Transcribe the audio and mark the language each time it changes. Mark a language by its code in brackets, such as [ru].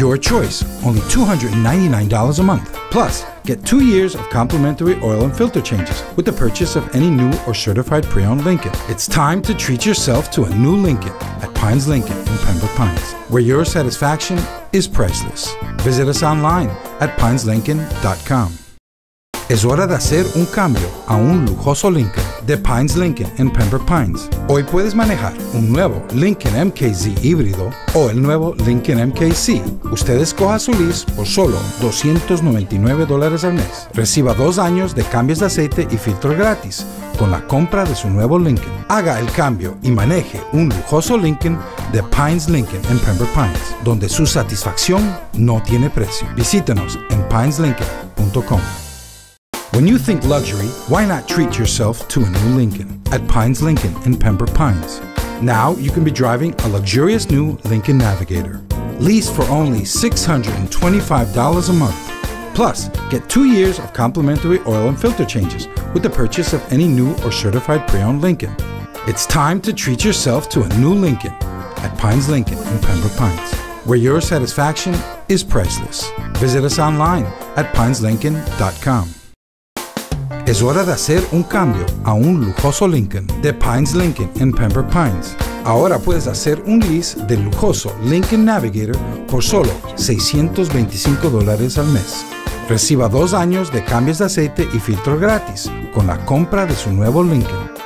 [en] Your choice, only $299 a month. Plus, get 2 years of complimentary oil and filter changes with the purchase of any new or certified pre-owned Lincoln. It's time to treat yourself to a new Lincoln at Pines Lincoln in Pembroke Pines, where your satisfaction is priceless. Visit us online at pineslincoln.com. [es] Es hora de hacer un cambio a un lujoso Lincoln de Pines Lincoln en Pembroke Pines. Hoy puedes manejar un nuevo Lincoln MKZ híbrido o el nuevo Lincoln MKC. Usted escoja su lease por solo $299 al mes. Reciba 2 años de cambios de aceite y filtro gratis con la compra de su nuevo Lincoln. Haga el cambio y maneje un lujoso Lincoln de Pines Lincoln en Pembroke Pines, donde su satisfacción no tiene precio. Visítenos en pineslincoln.com. [en] When you think luxury, why not treat yourself to a new Lincoln at Pines Lincoln in Pembroke Pines? Now you can be driving a luxurious new Lincoln Navigator. Lease for only $625 a month. Plus, get 2 years of complimentary oil and filter changes with the purchase of any new or certified pre-owned Lincoln. It's time to treat yourself to a new Lincoln at Pines Lincoln in Pembroke Pines, where your satisfaction is priceless. Visit us online at pineslincoln.com. [es] Es hora de hacer un cambio a un lujoso Lincoln de Pines Lincoln en Pembroke Pines. Ahora puedes hacer un lease del lujoso Lincoln Navigator por solo $625 al mes. Reciba 2 años de cambios de aceite y filtro gratis con la compra de su nuevo Lincoln.